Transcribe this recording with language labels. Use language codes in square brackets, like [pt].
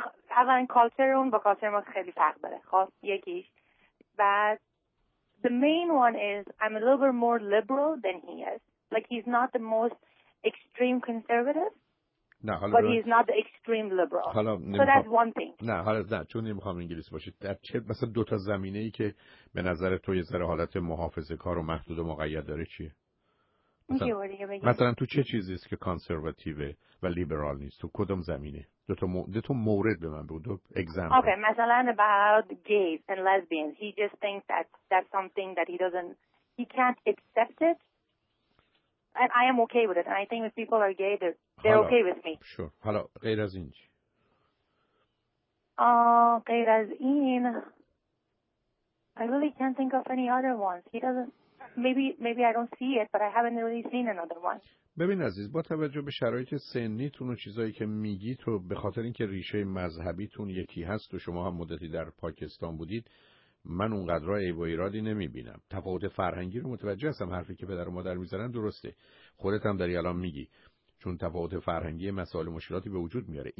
[fa] اولا کالچر اون با کالچر ما خیلی فرق داره. خب یکیش. [en] بعد the main one is I'm a little bit more liberal than he is. Like he's not the most extreme conservative. [fa] نه حالا [en] but he's not the extreme liberal. [fa] حالا [en] so that's one thing. [fa] نه حالا نه چون نمیخوام انگلیسی باشه. در چه مثلا دو تا زمینه ای که به نظر تو یه ذره حالت محافظه‌کار و محدود و مقید داره چیه؟ مثلا تو چه چیزی است که کانسرواتیو و لیبرال نیست؟ تو کدوم زمینه؟ دو تا مورد به من بگو. [en] دو example. Okay مثلا about gays and lesbians. He just thinks that that's something that he doesn't he can't accept it. And I am okay with it. And I think if people are gay, they're okay with me. [fa] Sure. حالا غیر از این چی؟ غیر از این [en] I really can't think of any other ones. He doesn't maybe I don't see it, but I haven't really seen another one. [fa] ببین عزیز، با توجه به شرایط سنیتون و چیزایی که میگی تو، به خاطر اینکه ریشه مذهبیتون یکی هست و شما هم مدتی در پاکستان بودید، من اونقدرها عیب و ایرادی نمیبینم. تفاوت فرهنگی رو متوجه هستم، حرفی که پدر و مادر میزنن درسته، خودت هم داری الان میگی، چون تفاوت فرهنگی مسائل و مشکلاتی به وجود میاره.